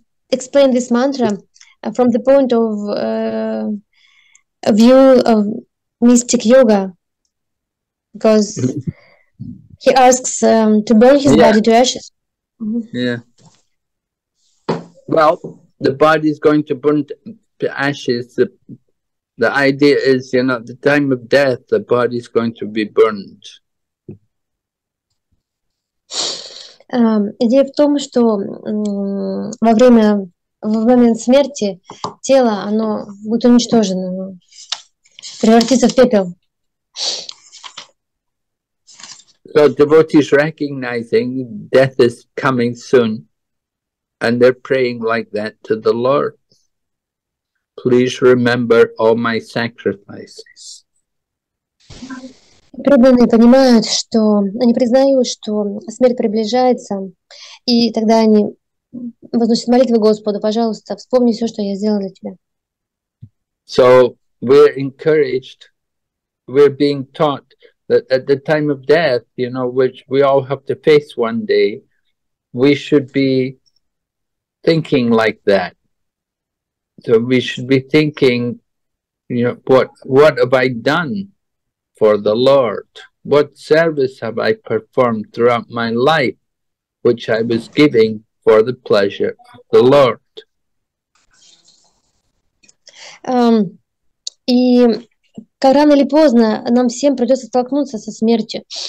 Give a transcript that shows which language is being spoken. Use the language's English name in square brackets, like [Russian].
[English] explain this mantra from the point of view of mystic yoga, because he asks to burn his body to ashes. Mm-hmm. Yeah. Well, the body is going to burn to ashes. The idea is, you know, at the time of death, the body is going to be burned. [Russian] Идея в том, что в момент смерти тело, оно будет уничтожено, превратится в пепел. [English] So devotees recognizing death is coming soon, and they're praying like that to the Lord. Please remember all my sacrifices. [Russian] Преданные понимают, что они признают, что смерть приближается, и тогда они возносят молитвы Господу: пожалуйста, вспомни все, что я сделал для тебя. [English] So we're encouraged, we're being taught that at the time of death, you know, which we all have to face one day, we should be thinking like that. So we should be thinking, you know, what have I done for the Lord? What service have I performed throughout my life, which I was giving for the pleasure of the Lord? [Russian] И как рано или поздно нам всем придется столкнуться со смертью.